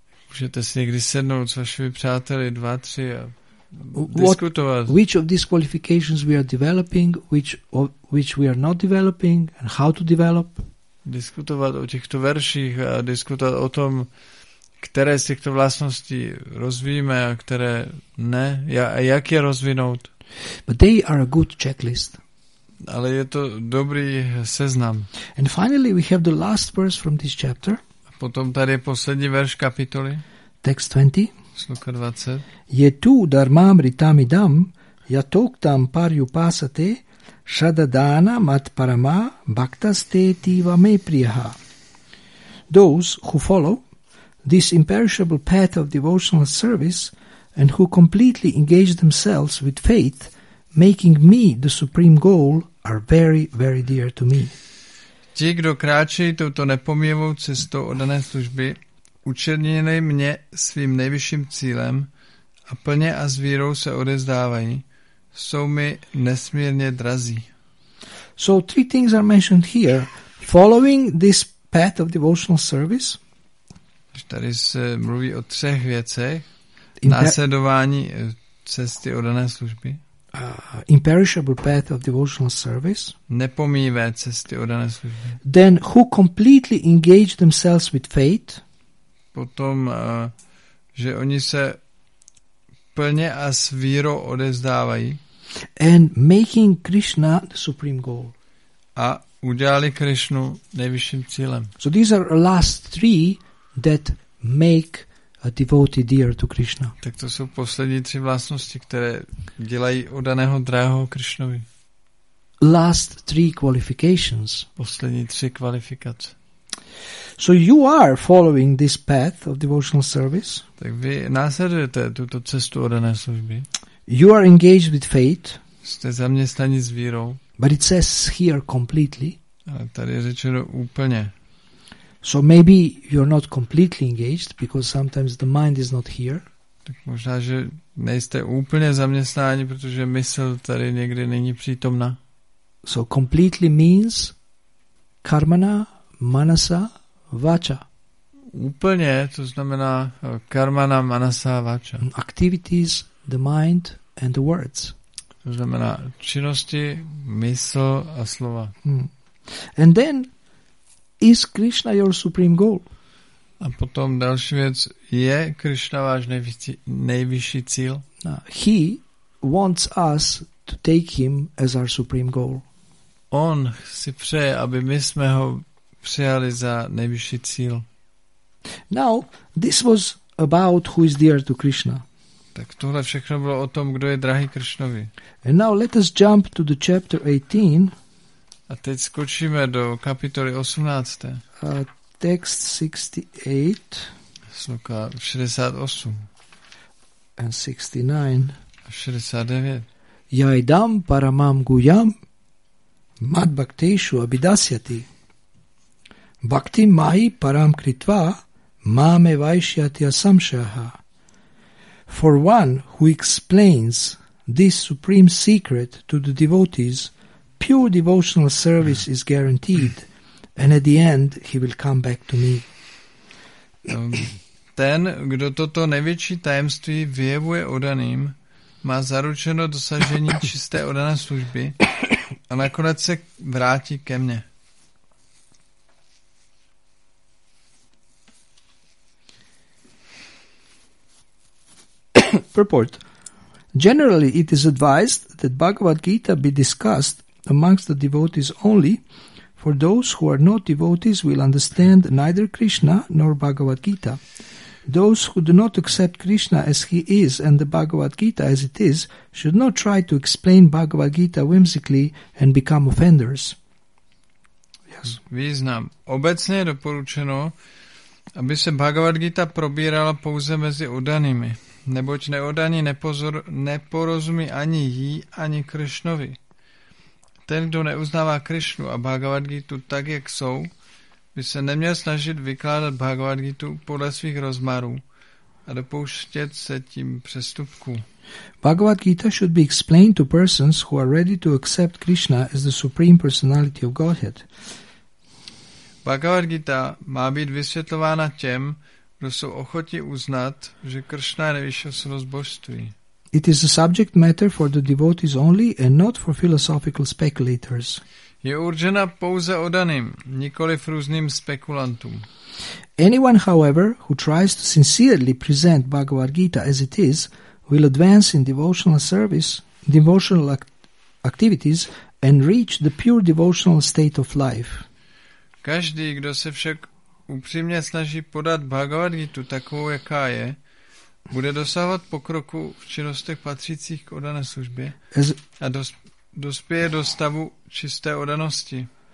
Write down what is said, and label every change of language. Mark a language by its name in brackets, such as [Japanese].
[Czech] Můžete si někdy sednout s vašimi přáteli dva, tři a diskutovat. [English] Which of these qualifications we are developing, which we are not developing and how to develop? [Czech] Diskutovat o těchto verších a diskutovat o tom, které z těchto vlastností rozvíjíme a které ne, a jak je rozvinout. [English] But they are a good checklist. [Czech] Ale je to dobrý seznam. [English] And finally we have the last verse from this chapter. [Czech] A potom tady je poslední verš kapitoly. [English] Text 20. [Czech] Sloka 20. [Sanskrit] Je tu dharmamritamidam yatoktam paryupasate shadadana mat parama bhaktaste tiva me priha. [English] Those who follow this imperishable path of devotional service and who completely engage themselves with faith, making me the supreme goal, are very, very dear to me. [Czech] Ti, kdo kráčejí touto nepomíjivou cestou oddané služby, učinili mě svým nejvyšším cílem a plně a s vírou se odevzdávají, jsou mi nesmírně drazí. [English] So three things are mentioned here. Following this path of devotional service. [Czech] Tady se mluví o třech věcech. Následování cesty oddané služby. [English] Imperishable path of devotional service. [Czech] Nepomíjivé cesty oddané služby. [English] Then who completely engage themselves with faith. [Czech] Potom, že oni se plně a s vírou odevzdávají. [English] And making Krishna the supreme goal. [Czech] A udělali Krishnu nejvyšším cílem. [English] So these are the last three that make a devotee dear to Krishna. [Czech] Tak to jsou poslední tři vlastnosti, které dělají oddaného drahého Krishnovi. [English] Last three qualifications. [Czech] Poslední tři kvalifikace. [English] So you are following this path of devotional service. [Czech] Tak vy následujete tuto cestu oddané služby. [English] You are engaged with faith. [Czech] Jste zaměstnaní s vírou. [English] But it says here completely. [Czech] Ale tady je řečeno úplně. [English] So maybe you're not completely engaged because sometimes the mind is not here. [Czech] Tak možná, že nejste úplně zaměstnáni, protože mysl tady někdy není přítomna. [English] So completely means [Sanskrit] karmana, manasa, vacha. [Czech] Úplně to znamená [Sanskrit] karmana, manasa, vacha. [English] Activities, the mind and the words. [Czech] To znamená činnosti, mysl a slova. [English] Hmm. And then is Krishna your supreme goal? [Czech] A potom další věc, je Krishna váš nejvyšší cíl? [English] No, he wants us to take him as our supreme goal. [Czech] On si přeje, aby my jsme ho přijali za nejvyšší cíl. [English] Now, this was about who is dear to Krishna. [Czech] Tak tohle všechno bylo o tom, kdo je drahý Krishnovi. [English] And now let us jump to the chapter 18. [Czech] A teď skočíme do kapitoly 18. [English] Text 68. [Czech] Sloka 68. [English] And 69. [Czech] A 69. [Sanskrit] Jaidam paramam guyam mad bhakteshu abhidasyati. Bhakti mahi param kritva mame vaishyati asamshaha. [English] For one who explains this supreme secret to the devotees, pure devotional service is guaranteed, and at the end he will come back to me. [Czech] Ten, kdo toto největší tajemství vyjevuje odaným, má zaručeno dosažení čisté odané služby a nakonec se vrátí ke mně. [English] Purport. Generally, it is advised that Bhagavad Gita be discussed amongst the devotees only, for those who are not devotees will understand neither Krishna nor Bhagavad Gita. Those who do not accept Krishna as he is and the Bhagavad Gita as it is should not try to explain Bhagavad Gita whimsically and become offenders. Yes. [Czech] Význam. Obecně je doporučeno, aby se Bhagavad Gita probírala pouze mezi oddanými, neboť neoddaní neporozumí ani jí, ani Krishnovi. Ten, kdo neuznává Krishnu a Bhagavad Gita tak, jak jsou, by se neměl snažit vykládat Bhagavad Gita podle svých rozmarů a dopouštět se tím přestupku. [English] Bhagavad Gita should be explained to persons who are ready to accept Krishna as the supreme personality of Godhead. [Czech] Bhagavad Gita má být vysvětlována těm, kdo jsou ochotni uznat, že Krishna je nejvyšší osobnost božství. [English] It is a subject matter for the devotees only and not for philosophical speculators. [Czech] Je určena pouze odaným, nikoli různým spekulantům. [English] Anyone, however, who tries to sincerely present Bhagavad Gita as it is, will advance in devotional service, devotional activities and reach the pure devotional state of life. [Czech] Každý, kdo se však upřímně snaží podat Bhagavad Gita takovou, jaká je, bude dosahovat pokroku v činnostech patřících k odané službě a dospěje do stavu čisté odanosti.